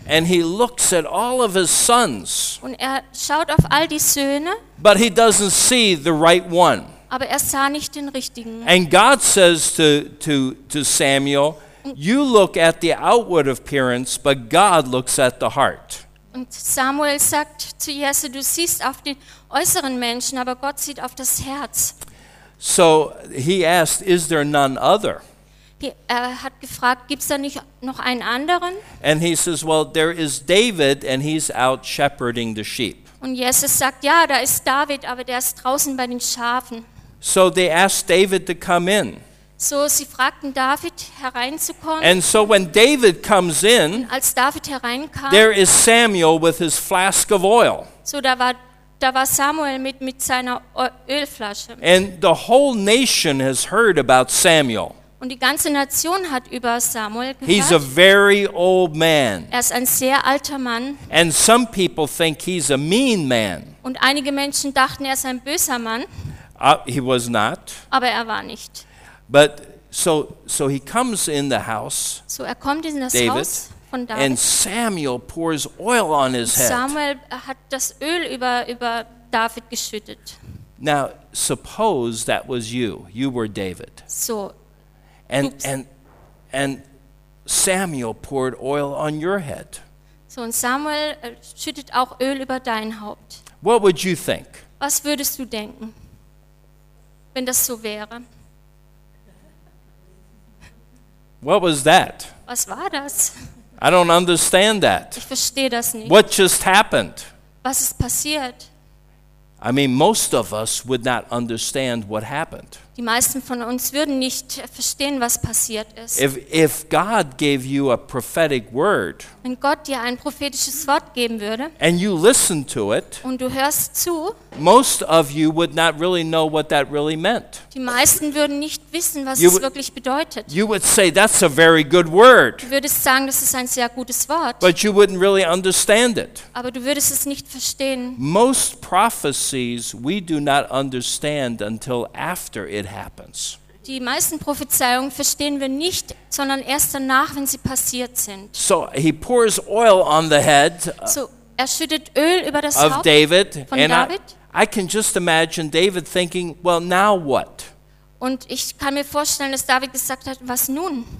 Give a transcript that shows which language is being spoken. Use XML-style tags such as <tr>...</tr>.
<en>And he looks at all of his sons.</en> <de>Und er schaut auf all die Söhne.</de> <en>But he doesn't see the right one.</en> <de>Aber er sah nicht den richtigen.</de> <en>And God says to Samuel, you look at the outward appearance, but God looks at the heart.</en> <de>Und Samuel sagt zu Jesse, du siehst auf den äußeren Menschen, aber Gott sieht auf das Herz.</de> <en>So he asked, is there none other?</en> <de>Er hat gefragt, gibt's da nicht noch einen anderen?</de> <en>And he says, well, there is David and he's out shepherding the sheep.</en> <de>Und Jesse sagt, ja, da ist David, aber der ist draußen bei den Schafen.</de> <en>So they asked David to come in.</en> <de>So sie fragten David hereinzukommen.</de> <en>And so when David comes in,</en> <de>als David hereinkam,</de> <en>there is Samuel with his flask of oil.</en> <de>So da war Samuel mit seiner Ölflasche.</de> <en>And the whole nation has heard about Samuel.</en> <de>Und die ganze Nation hat über Samuel gehört.</de> <en>He's a very old man.</en> <de>Er ist ein sehr alter Mann.</de> <en>And some people think he's a mean man.</en> <de>Und einige Menschen dachten, er ist ein böser Mann.</de> <en>He was not.</en> <de>Aber er war nicht.</de> <en>But so he comes in the house.</en> <de>So er kommt in das David, Haus von David.</de> <en>And Samuel pours oil on his head.</en> <de>Samuel hat das Öl über David geschüttet.</de> <en>Now suppose that was you. You were David.</en> <de>So.</de> <en>And Samuel poured oil on your head.</en> <de>So und Samuel schüttet auch Öl über dein Haupt.</de> <en>What would you think?</en> <de>Was würdest du denken, wenn das so wäre?</de> <en>What was that?</en> <de>Was war das?</de> <en>I don't understand that.</en> <de>Ich verstehe das nicht.</de> <en>What just happened?</en> <de>Was ist passiert?</de> <en>I mean, most of us would not understand what happened.</en> <de>Die meisten von uns würden nicht verstehen, was passiert ist.</de> <en>If God gave you a prophetic word,</en> <de>wenn Gott dir ein prophetisches Wort geben würde,</de> <en>and you listen to it,</en> <de>und du hörst zu,</de> <en>most of you would not really know what that really meant.</en> <de>Die meisten würden nicht wissen, was es wirklich bedeutet.</de> <en>You would say, that's a very good word.</en> <de>Du würdest sagen, das ist ein sehr gutes Wort.</de> <en>But you wouldn't really understand it.</en> <de>Aber du würdest es nicht verstehen.</de> <en>Most prophecies we do not understand until after it happens.</en> <de>Die meisten Prophezeiungen verstehen wir nicht, sondern erst danach, wenn sie passiert sind.</de> <en>So he pours oil on the head.</en> <de>So er schüttet Öl über das Haupt David, von and David.</de> <en>I can just imagine David thinking, well, now what?</en> <de>Und ich kann mir vorstellen, dass David gesagt hat, was nun?</de>